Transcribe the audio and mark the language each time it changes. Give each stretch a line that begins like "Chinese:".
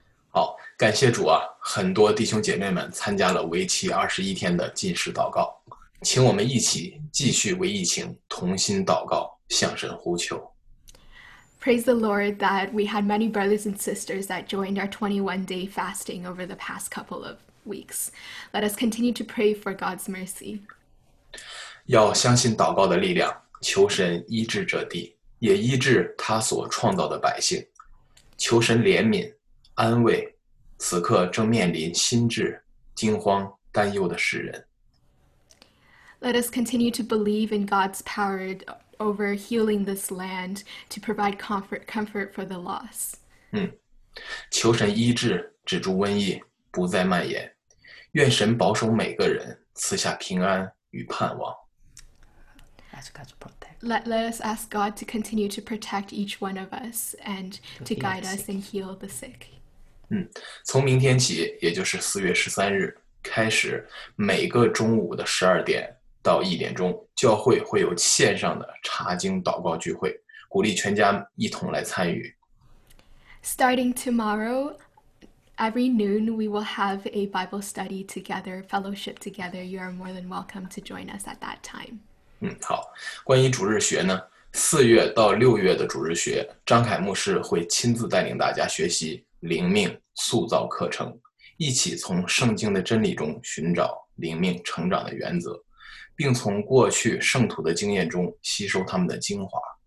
Chinese: 好，感谢主啊，很多弟兄姐妹们参加了为期21天的禁食祷告，请我们一起继续为疫情同心祷告，向神呼求。
English: Praise the Lord that we had many brothers and sisters that joined our 21-day fasting over the past couple of weeks. Let us continue to pray for God's mercy.
Chinese: 要相信祷告的力量，求神医治这地，也医治他所创造的百姓。求神怜悯、安慰此刻正面临心智惊慌担忧的世人。
English: Let us continue to believe in God's power over healing this land to provide comfort for the loss.
Chinese: 求神医治，止住瘟疫，不再蔓延。愿神保守每个人，赐下平安与盼望。
English: Let us ask God to continue to protect each one of us and to guide us and heal the sick.
Chinese: 从明天起，也就是4月13日开始，每个中午的12点到1点钟，教会会有线上的查经祷告聚会，鼓励全家一同来参与。
English: Starting tomorrow, every noon, we will have a Bible study together, fellowship together. You are more than welcome to join us at that time.
Chinese: 好，关于主日学呢，四月到六月的主日学，张凯牧师会亲自带领大家学习灵命塑造课程，一起从圣经的真理中寻找灵命成长的原则，并从过去圣徒的经验中吸收他们的精华。